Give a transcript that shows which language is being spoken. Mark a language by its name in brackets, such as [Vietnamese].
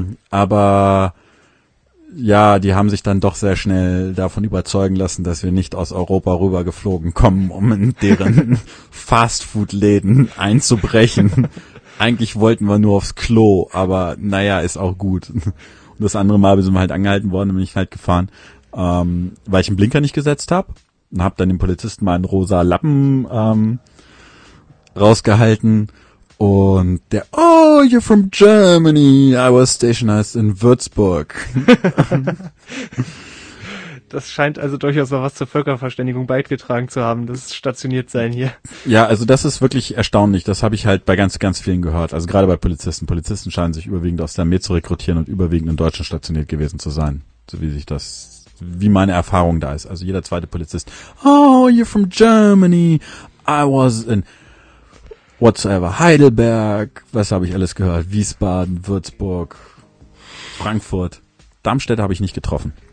[German] Aber ja, die haben sich dann doch sehr schnell davon überzeugen lassen, dass wir nicht aus Europa rüber geflogen kommen, um in deren Fastfood-Läden einzubrechen. Eigentlich wollten wir nur aufs Klo, aber naja, ist auch gut. Und das andere Mal sind wir halt angehalten worden und bin ich halt gefahren, weil ich einen Blinker nicht gesetzt habe und habe dann dem Polizisten mal einen rosa Lappen rausgehalten. Und der, [English] oh, you're from Germany, I was stationized in Würzburg. [German] Das scheint also durchaus noch was zur Völkerverständigung beigetragen zu haben, das stationiert sein hier. Ja, also das ist wirklich erstaunlich, das habe ich halt bei ganz, ganz vielen gehört, also gerade bei Polizisten. Polizisten scheinen sich überwiegend aus der Armee zu rekrutieren und überwiegend in Deutschland stationiert gewesen zu sein, so wie sich das, wie meine Erfahrung da ist. Also jeder zweite Polizist, [English] oh, you're from Germany, I was in whatsoever, [German] Heidelberg, was habe ich alles gehört, Wiesbaden, Würzburg, Frankfurt, Darmstädter habe ich nicht getroffen.